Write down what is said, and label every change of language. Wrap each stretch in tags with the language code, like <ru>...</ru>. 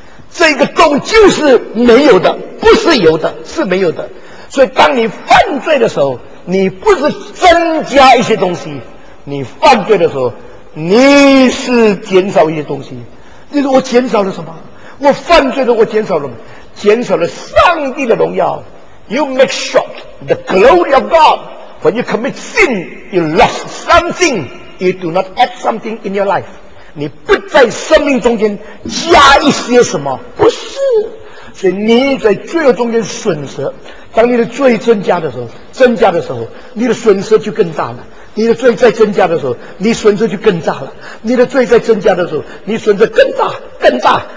<zh>这个洞就是没有的，不是有的，是没有的。所以当你犯罪的时候，你不是增加一些东西，你犯罪的时候你是减少一些东西。你说我减少了什么？我犯罪的我减少了，减少了上帝的荣耀。</zh> <en>You make short the glory of God. When you commit sin, you lost something. You do not add something in your life.</en> <zh>你不在生命中间加一些什么，不是。所以你在罪恶中间损失，当你的罪增加的时候，增加的时候你的损失就更大了。你的罪在增加的时候，你损失就更大了。你的罪在增加的时候，你损失更大更大。</zh>